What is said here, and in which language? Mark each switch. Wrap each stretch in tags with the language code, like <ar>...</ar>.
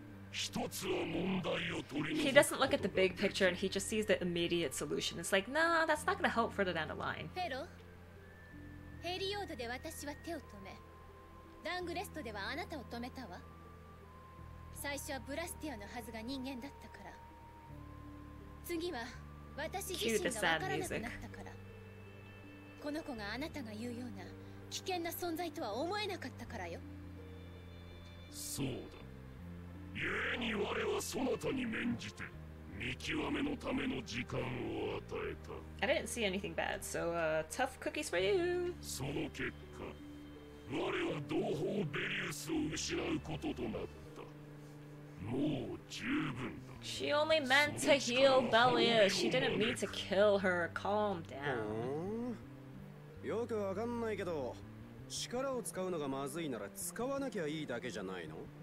<ja>一つは問題を取り除く。</ja> <en>He doesn't look at the big picture and he just sees the immediate solution. It's like, nah, that's not gonna help further down the line.</en> <ja>フェロ、ヘリオードで私は手を止め、ダングレストではあなたを止めたわ。最初はブラスティアのはずが人間だったから、次は私自身が分からなくなったから、この子があなたが言うような危険な存在とは思えなかったからよ。そうだ、故に我はそなたに免じて見極めのための時間を与えた。</ja> <en>I didn't see anything bad, so tough cookies for you.</en> <ja>その結果、我は同胞ベリウスを失うこととなった。もう十分だ。</ja> <en>She only meant to heal Belia. She didn't mean to kill her. Calm down.</en> <ja>よくわかんないけど、力を使うのがまずいなら使わなきゃいいだけじゃないの？</ja>